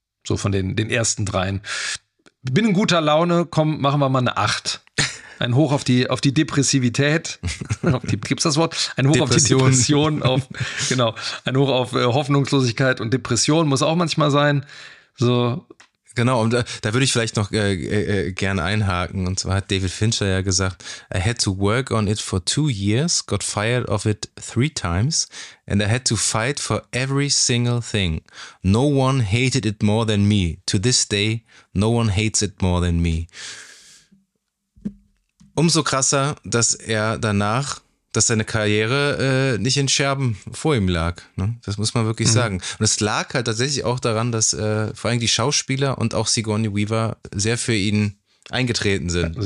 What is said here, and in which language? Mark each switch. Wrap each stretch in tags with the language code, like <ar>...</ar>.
<de>So von den ersten dreien. Bin in guter Laune, komm, machen wir mal eine 8. Ein Hoch auf die Depressivität. Gibt es das Wort? Ein Hoch Depression. Auf die Depression. Ein Hoch auf Hoffnungslosigkeit und Depression muss auch manchmal sein. So. Genau, und da würde ich vielleicht noch gerne einhaken. Und zwar hat David Fincher ja gesagt,</de> <en>I had to work on it for 2 years, got fired of it 3 times, and I had to fight for every single thing. No one hated it more than me. To this day, no one hates it more than me.</en> <de>Umso krasser, dass er danach, dass seine Karriere nicht in Scherben vor ihm lag. Ne? Das muss man wirklich sagen. Und es lag halt tatsächlich auch daran, dass vor allem die Schauspieler und auch Sigourney Weaver sehr für ihn eingetreten sind.</de>